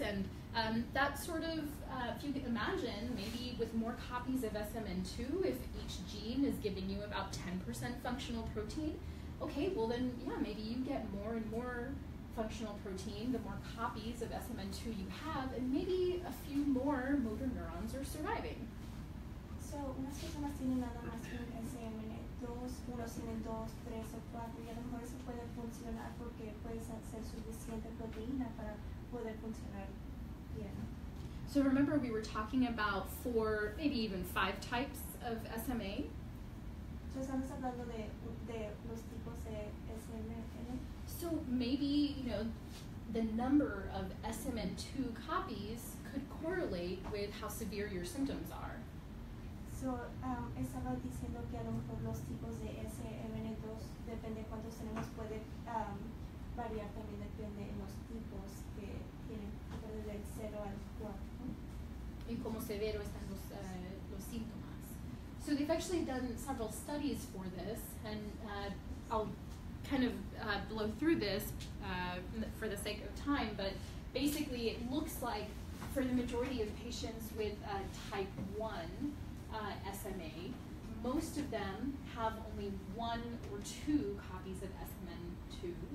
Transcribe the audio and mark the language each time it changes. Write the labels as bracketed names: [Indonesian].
[English] And that sort of, if you can imagine, maybe with more copies of SMN2, if each gene is giving you about 10% functional protein, okay, well then, yeah, maybe you get more and more functional protein the more copies of SMN2 you have, and maybe a few more motor neurons are surviving. [Spanish] So, unas personas tienen nada más un SMN2, unos tienen dos, tres o cuatro, y a lo mejor eso puede funcionar porque puedes hacer suficiente proteína para poder funcionar bien. [English] So remember we were talking about four, maybe even five types of SMA? [Spanish] So estamos hablando de los tipos de SMN. [English] So maybe, you know, the number of SMN2 copies could correlate with how severe your symptoms are. [Spanish] So, estaba diciendo que a lo mejor los tipos de SMN2, depende de cuántos tenemos, puede variar también, depende de los tipos que tienen, desde el 0 al 4. Y cómo severo están los síntomas. [English] So, they've actually done several studies for this, and I'll kind of blow through this for the sake of time, but basically it looks like for the majority of patients with type 1, SMA, most of them have only one or two copies of SMN2.